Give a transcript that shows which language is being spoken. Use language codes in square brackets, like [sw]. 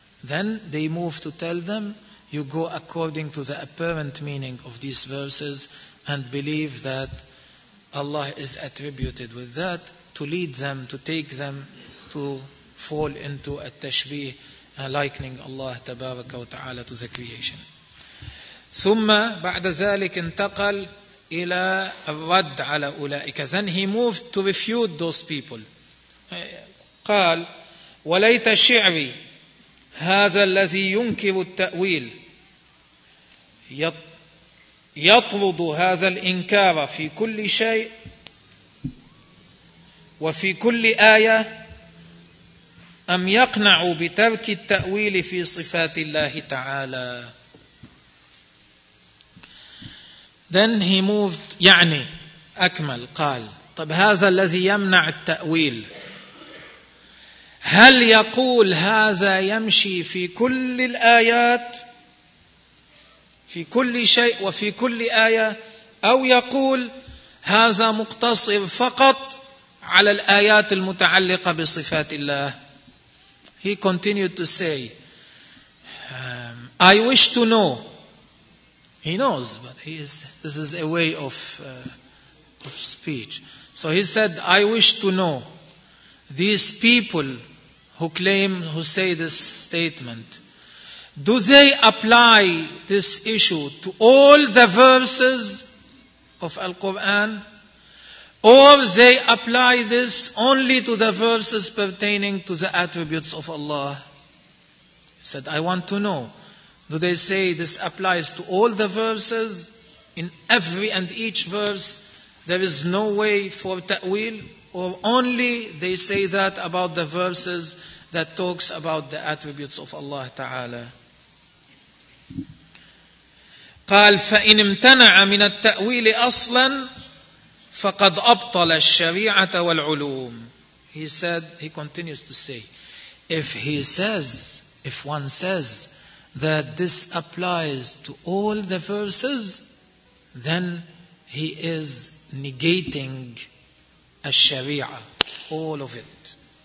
[en] Then they move to tell them, you go according to the apparent meaning of these verses and believe that Allah is attributed with that, to lead them, to take them to fall into at-tashbih, likening Allah [ar] تبارك وتعالى [en] to the creation. [ar] ثم بعد ذلك انتقل إلى الرد على أولئك. [en] Then he moved to refute those people. [ar] قال وليت شعري هذا الذي ينكر التأويل يطرد هذا الإنكار في كل شيء وفي كل آية أم يقنع بترك التأويل في صفات الله تعالى. [en] Then he moved, [ar] يعني أكمل قال طب هذا الذي يمنع التأويل هل يقول هذا يمشي في كل الآيات في كل شيء وفي كل آية أو يقول هذا مقتصر فقط على الآيات المتعلقة بصفات الله. [en] He continued to say, I wish to know. He knows, but this is a way of speech. So he said, I wish to know these people who say this statement, do they apply this issue to all the verses of Al-Quran? Or they apply this only to the verses pertaining to the attributes of Allah? He said, I want to know. Do they say this applies to all the verses? In every and each verse, there is no way for ta'wil? or only they say that about the verses that talks about the attributes of Allah Ta'ala. [ar] قال فإن امتنع من التأويل أصلا فقد أبطل الشريعة والعلوم. [en] He continues to say, if one says that this applies to all the verses, then he is negating الشريعة, all of it.